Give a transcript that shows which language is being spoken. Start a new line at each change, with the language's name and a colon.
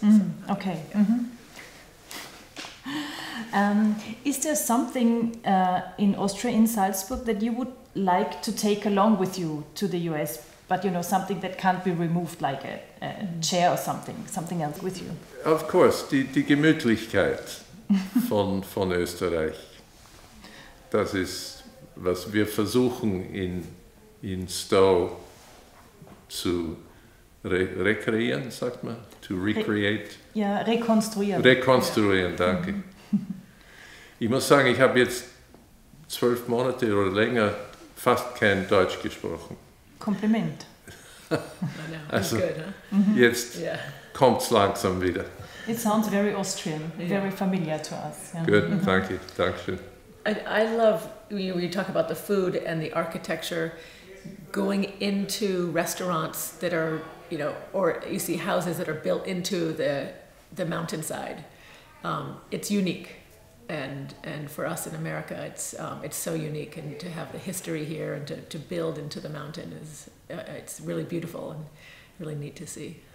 English: Mm-hmm. So, okay. Yeah. Mm-hmm. Is there something in Austria, in Salzburg, that you would like to take along with you to the US, but you know, something that can't be removed, like a chair or something else with you? Of course,
German: die Gemütlichkeit von Österreich. Das ist, was wir versuchen in Stowe. Zu rekreieren, sagt man?
English: To recreate?
German: Rekonstruieren. Rekonstruieren, danke. Mhm. Ich muss sagen, ich habe jetzt 12 Monate oder länger fast kein Deutsch gesprochen. Kompliment.
English: Also, good, huh?
German: Jetzt kommt es langsam wieder.
English: It sounds very Austrian, very familiar to us. Yeah. Good,
German: danke, dankeschön.
English: I love, when you talk about the food and the architecture, going into restaurants that are, you know, or you see houses that are built into the mountainside, it's unique, and for us in America, it's so unique, and to have the history here and to build into the mountain is it's really beautiful and really neat to see.